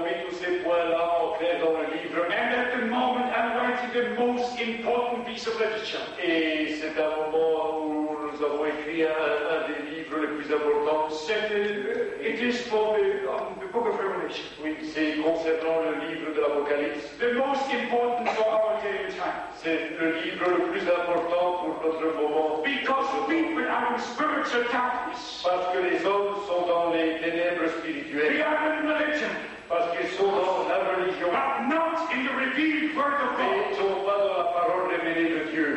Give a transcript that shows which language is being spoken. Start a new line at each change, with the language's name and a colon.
French: ces points-là en clair dans le livre.
English: And at the moment, I'm writing the most important piece of literature.
French: Et c'est un moment où nous avons écrit un des livres les plus importants.
English: It is for the book of Revelation.
French: Oui, c'est concernant le livre de l'Apocalypse.
English: The most important for our day and time.
French: C'est le livre le plus important pour notre moment.
English: Because people are in spiritual darkness.
French: Parce que les hommes sont dans les ténèbres spirituelles.
English: They are in religion.
French: Parce qu'ils sont dans la religion.
English: But not in the revealed word of God.
French: Ils sont pas dans la parole révélée de Dieu.